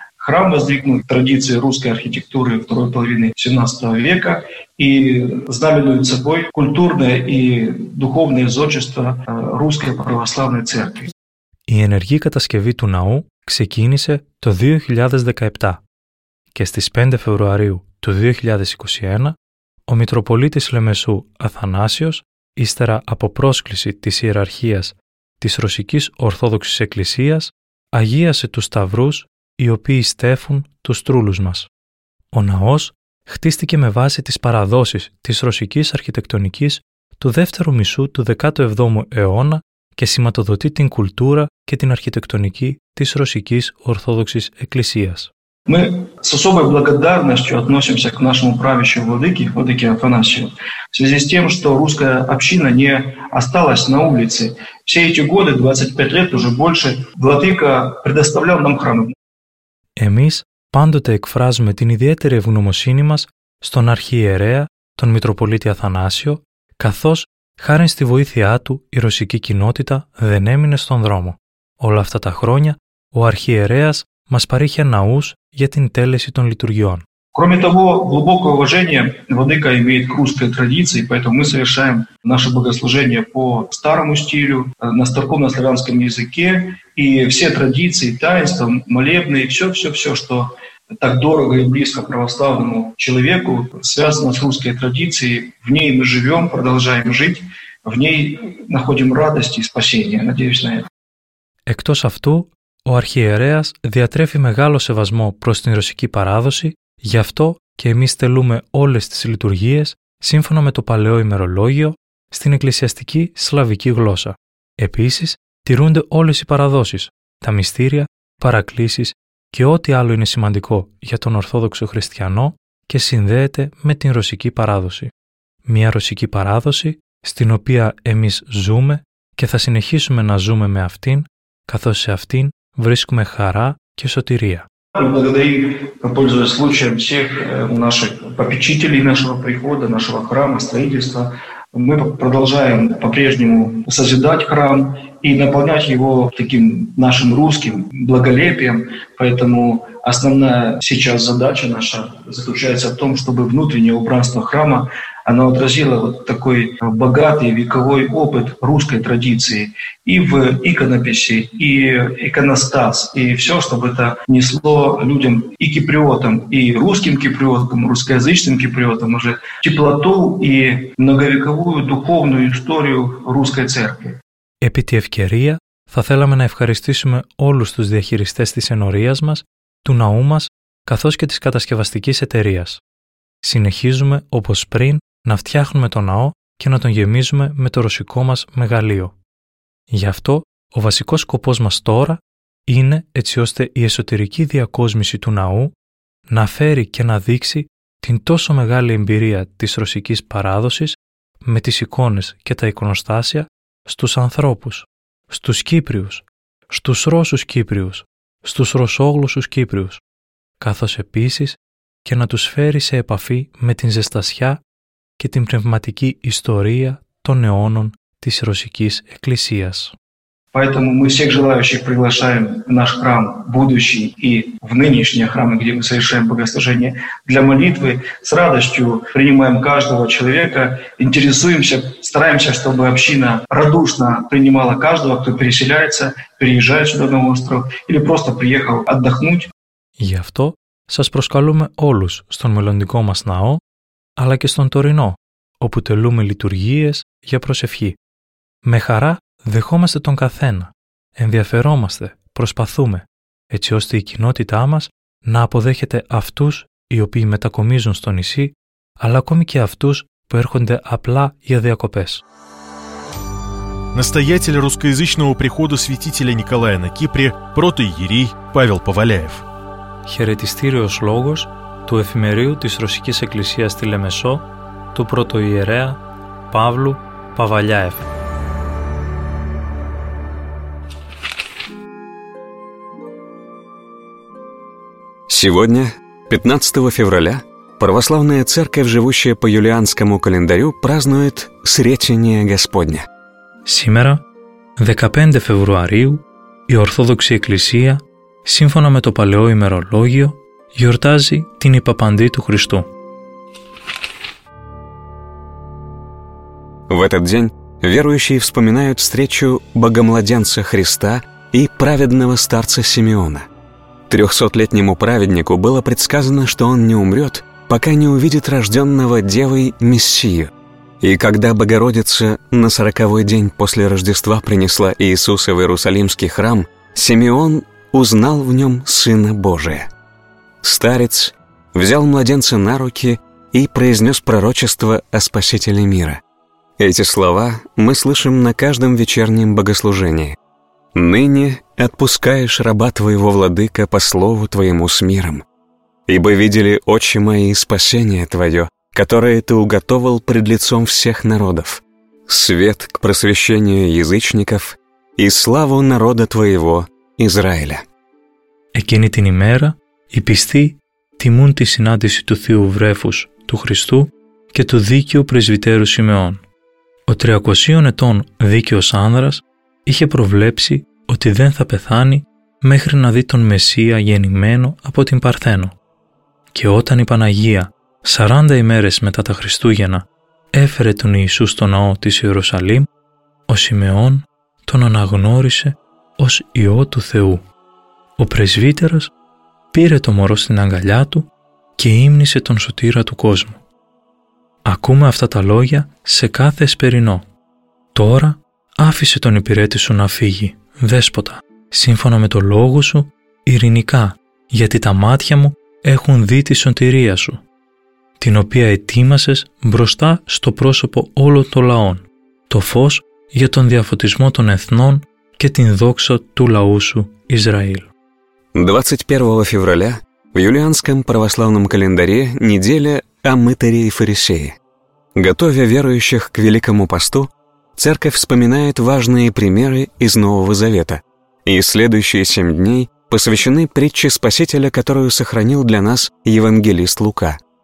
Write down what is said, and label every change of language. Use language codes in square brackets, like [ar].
[ru] Храм воздвигнут в традиции русской архитектуры второй половины XVII века и знаменует собой культурное и духовное зодчество Русской Православной Церкви. [el] Η ενεργή κατασκευή του ναού ξεκίνησε το 2017 και στις 5 Φεβρουαρίου του 2021 ο Μητροπολίτης Λεμεσού Αθανάσιος, ύστερα από πρόσκληση της ιεραρχίας της Ρωσικής Ορθόδοξης Εκκλησίας, αγίασε τους σταυρούς οι οποίοι στέφουν τους τρούλους μας. Ο ναός χτίστηκε με βάση τις παραδόσεις της ρωσικής αρχιτεκτονικής του δεύτερου μισού του 17ου αιώνα και σηματοδοτεί την κουλτούρα και την αρχιτεκτονική της Ρωσικής Ορθόδοξης Εκκλησίας. [ru] Мы с особой благодарностью относимся к нашему правящему владыке, владыке Афанасию, в связи с тем, что русская община не осталась на улице. Все эти годы, 25 лет уже больше, владыка предоставлял нам храм. [el] Εμείς πάντοτε εκφράζουμε την ιδιαίτερη ευγνωμοσύνη μας στον αρχιερέα, τον Μητροπολίτη Αθανάσιο, καθώς Χάρη στη βοήθειά του, η ρωσική κοινότητα δεν έμεινε στον δρόμο. Όλα αυτά τα χρόνια, ο αρχιερέας μας παρήχε ναούς για την τέλεση των λειτουργιών. [ru] Кроме того, глубокое уважение владыка имеет к русской традиции, поэтому мы совершаем наше богослужение по старому стилю, на старокомнославянском языке, и все традиции, таинства, молебны, и все-все-все, что так дорого и близко православному человеку, связано с русской традицией, в ней мы живем, продолжаем жить, в ней находим радость и спасение, надеюсь на это. [el] Εκτός αυτού, ο αρχιερέας διατρέφει μεγάλο σεβασμό προς την ρωσική παράδοση. Γι' αυτό και εμείς τελούμε όλες τις λειτουργίες σύμφωνα με το παλαιό ημερολόγιο στην εκκλησιαστική σλαβική γλώσσα. Επίσης, τηρούνται όλες οι παραδόσεις, τα μυστήρια, παρακλήσεις και ό,τι άλλο είναι σημαντικό για τον Ορθόδοξο Χριστιανό και συνδέεται με την ρωσική παράδοση. Μια ρωσική παράδοση στην οποία εμείς ζούμε και θα συνεχίσουμε να ζούμε με αυτήν, καθώς σε αυτήν βρίσκουμε χαρά και σωτηρία. [ru] Благодарим, пользуясь случаем, всех наших попечителей нашего прихода, нашего храма, строительства. Мы продолжаем по-прежнему созидать храм и наполнять его таким нашим русским благолепием. Поэтому основная сейчас задача наша заключается в том, чтобы внутреннее убранство храма оно отразило вот такой богатый вековой опыт русской традиции и в иконописи, и иконостас, и все, чтобы это несло людям и киприотам, и русским киприотам, русскоязычным киприотам уже теплоту и многовековую духовную историю русской церкви. [el] Επί τη ευκαιρία, θα θέλαμε να ευχαριστήσουμε όλους τους διαχειριστές της ενορίας μας, του ναού μας, καθώς και της κατασκευαστικής εταιρείας. Συνεχίζουμε, όπως πριν, να φτιάχνουμε το ναό και να τον γεμίζουμε με το ρωσικό μας μεγαλείο. Γι' αυτό, ο βασικός σκοπός μας τώρα είναι έτσι ώστε η εσωτερική διακόσμηση του ναού να φέρει και να δείξει την τόσο μεγάλη εμπειρία της ρωσικής παράδοσης με τις εικόνες και τα εικονοστάσια στους ανθρώπους, στους Κύπριους, στους Ρώσους Κύπριους, στους Ρωσόγλωσσους Κύπριους, καθώς επίσης και να τους φέρει σε επαφή με την ζεστασιά και την πνευματική ιστορία των αιώνων της Ρωσικής Εκκλησίας. [ru] Поэтому мы всех желающих приглашаем в наш храм, будущий и в нынешние храмы, где мы совершаем богослужение, для молитвы. С радостью принимаем каждого человека, интересуемся, стараемся, чтобы община радушно принимала каждого, кто переселяется, переезжает сюда на остров или просто приехал отдохнуть. [el] Γι' αυτό σας προσκαλούμε όλους στον μελλοντικό μας ναό, αλλά και στον τωρινό, όπου τελούμε λειτουργίες για προσευχή. Με χαρά δεχόμαστε τον καθένα, ενδιαφερόμαστε, προσπαθούμε, έτσι ώστε η κοινότητά μας να αποδέχεται αυτούς οι οποίοι μετακομίζουν στο νησί, αλλά ακόμη και αυτούς που έρχονται απλά για διακοπές. [ru] Настоятель русскоязычного прихода святителя Николая на Кипре, протоиерей Павел Поваляев. [el] Χαιρετιστήριος λόγος του Εφημερίου της Ρωσικής Εκκλησίας στη Λεμεσό, του πρωτοιερέα Παύλου Παβαλιάεφ. [ru] Сегодня, 15 февраля, Православная Церковь, живущая по юлианскому календарю, празднует Сретение Господне. Сегодня, 15 февраля, и Ортодоксия Экклесия, [el] σύμφωνα με το παλαιό ημερολόγιο, γιορτάζει την υπαπαντή του Χριστού. [ru] В этот день верующие вспоминают встречу Богомладенца Христа и праведного старца Симеона. 300-летнему праведнику было предсказано, что он не умрет, пока не увидит рожденного девой Мессию. И когда Богородица на 40-й день после Рождества принесла Иисуса в Иерусалимский храм, Симеон узнал в нем Сына Божия. Старец взял младенца на руки и произнес пророчество о Спасителе мира. Эти слова мы слышим на каждом вечернем богослужении. «Ныне отпускаешь раба твоего, Владыка, по слову твоему с миром, ибо видели очи мои спасение твое, которое ты уготовал пред лицом всех народов, свет к просвещению язычников и славу народа твоего, Израиля». [el] Εκείνη την ημέρα, οι πιστοί τιμούν τη συνάντηση του Θείου Βρέφους του Χριστού και του Δίκαιου Πρεσβυτέρου Σιμεών. Ο 300 ετών δίκαιος άνδρας είχε προβλέψει ότι δεν θα πεθάνει μέχρι να δει τον Μεσσία γεννημένο από την Παρθένο. Και όταν η Παναγία, 40 ημέρες μετά τα Χριστούγεννα, έφερε τον Ιησού στο ναό της Ιερουσαλήμ, ο Σιμεών τον αναγνώρισε ως Υιό του Θεού. Ο πρεσβύτερος πήρε το μωρό στην αγκαλιά του και ύμνησε τον Σωτήρα του κόσμου. Ακούμε αυτά τα λόγια σε κάθε Εσπερινό. «Τώρα άφησε τον υπηρέτη σου να φύγει, Δέσποτα, σύμφωνα με το λόγο σου, ειρηνικά, γιατί τα μάτια μου έχουν δει τη σωτηρία σου, την οποία ετοίμασες μπροστά στο πρόσωπο όλων των λαών, το φως για τον διαφωτισμό των εθνών και την δόξα του λαού σου Ισραήλ». [ru] 21 февраля в юлианском православном календаре неделя о мытаре и фарисее. Готовя верующих к Великому посту, церковь вспоминает важные примеры из Нового Завета. И следующие 7 дней посвящены притче Спасителя, которую сохранил для нас евангелист Лука.